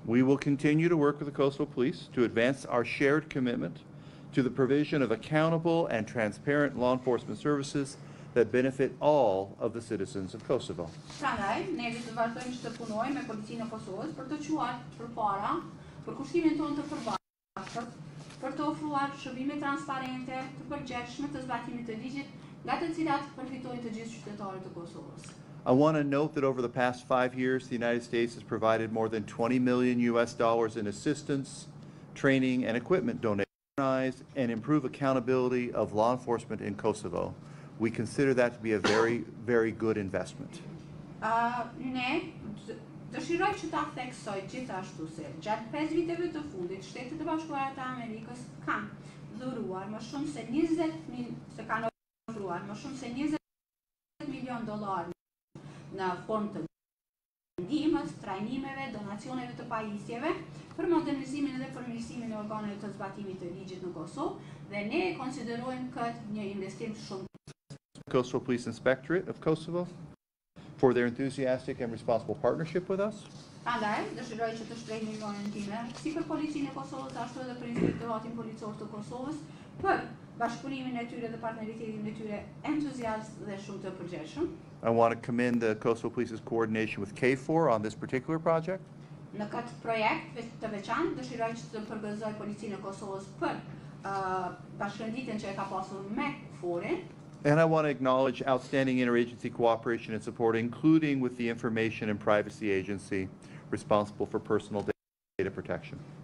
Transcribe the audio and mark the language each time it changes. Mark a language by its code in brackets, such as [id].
[en] We will continue to work with the Kosovo Police to advance our shared commitment to the provision of accountable and transparent law enforcement services that benefit all of the citizens of Kosovo. [sq] Prandaj, ne do të vazhdojmë të punojmë me Policinë e Kosovës për të quar përpara për kushtimin tonë të përbashkët, për të ofruar shërbime transparente të përgjegjshme të zbatimit të ligjit, nga të cilat përfitojnë të gjithë qytetarët e Kosovës. [en] I want to note that over the past 5 years, the United States has provided more than $20 million in assistance, training, and equipment donations to modernize and improve accountability of law enforcement in Kosovo. We consider that to be a very, very good investment. [sq] Ne dëshiroj që ta theksoj gjithashtu se gjatë 5 viteve të fundit, Shtetet e Bashkuara të Amerikës kanë dhuruar më shumë se 20 milion dollarë. Në formë të ndihmës, trajnimeve, donacioneve të pajisjeve për modernizimin dhe përmirësimin e organeve të zbatimit të ligjit në Kosovë dhe ne e konsiderojmë këtë një investim shumë. [en] Kosovo Police Inspectorate of Kosovo for their enthusiastic and responsible partnership with us. [sq] Andaj, dëshiroj që të shprej një vonën time, si për Policinë e Kosovës, ashtu edhe për Inspektoratin Policor të Kosovës, për bashkëpunimin e tyre dhe partneritetin e tyre entuziast dhe shumë të përgjeshëm. [en] I want to commend the Kosovo Police's coordination with KFOR on this particular project. [sq] Në këtë projekt të veçantë, dëshiroj që të përgëzoj Policinë e Kosovës për bashkënditjen që e ka pasur me KFOR-in. [en] And I want to acknowledge outstanding interagency cooperation and support, including with the Information and Privacy Agency responsible for personal data protection.